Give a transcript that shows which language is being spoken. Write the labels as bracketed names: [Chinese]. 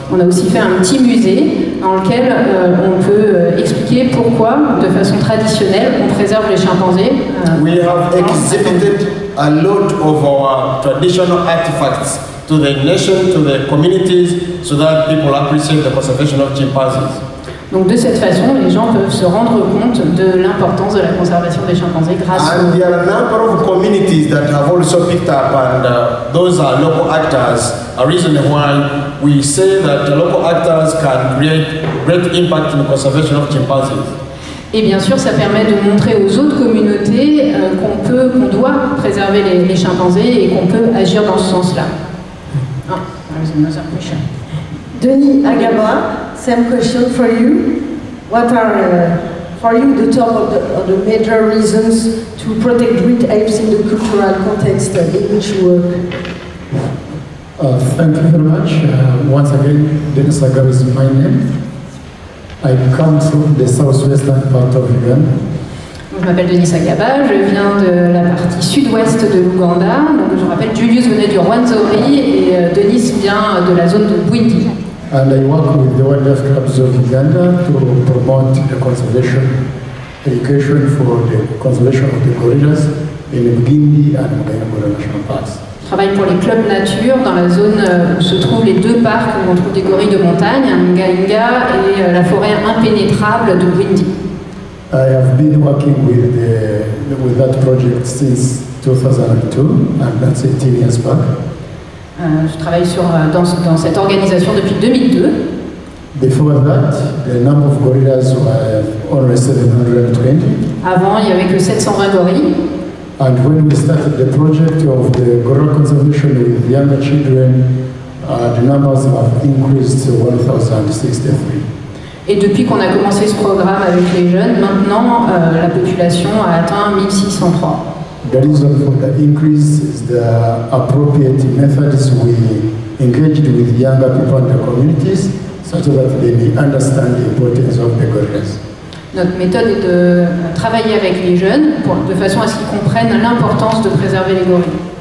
[French] On a aussi fait un petit musée dans lequel on peut expliquer pourquoi, de façon traditionnelle, on préserve les chimpanzés. [English] We have exhibited a lot of our traditional artifacts to the nation, to the communities, so that people appreciate the conservation of chimpanzees. [French] Donc de cette façon, les gens peuvent se rendre compte de l'importance de la conservation des chimpanzés grâce aux... [English] There are a number of communities that have also picked up, and those are local actors. A reason why we say that the local actors can create great impact in the conservation of chimpanzees. [French] Et bien sûr, ça permet de montrer aux autres communautés qu'on peut, qu'on doit préserver les chimpanzés et qu'on peut agir dans ce sens-là. [English] Oh, there's another question. Denis Agaba, same question for you. What are, for you, the top of the major reasons to protect great apes in the cultural context in which you work? Thank you very much. Once again, Denis Agaba is my name. I come from the southwestern part of Uganda. [French] Je m'appelle Denis Agaba, je viens de la partie sud-ouest de l'Ouganda. Donc, je rappelle, Julius venait du Rwenzori et Denis vient de la zone de Bwindi. [English] And I work with the wildlife clubs of Uganda to promote the conservation education for the conservation of the gorillas in the Bwindi and Ngorongoro National Parks. [French] Je travaille pour les clubs nature dans la zone où se trouvent les deux parcs où on trouve des gorilles de montagne, Nga Nga et la forêt impénétrable de Bwindi. [English] I have been working with that project since 2002, and that's 18 years back. [French] Je travaille sur, dans cette organisation depuis 2002. [English] Before that, the number of gorillas were only 720. [French] Avant, il n'y avait que 720 gorilles. [English] And when we started the project of the gorilla conservation with younger children, the numbers have increased to 1,063. [French] Et depuis qu'on a commencé ce programme avec les jeunes, maintenant la population a atteint 1,603. [English] The reason for the increase is the appropriate methods we engaged with younger people in the communities, such that they may understand the importance of the gorillas. [French] Notre méthode est de travailler avec les jeunes pour, de façon à ce qu'ils comprennent l'importance de préserver les gorilles.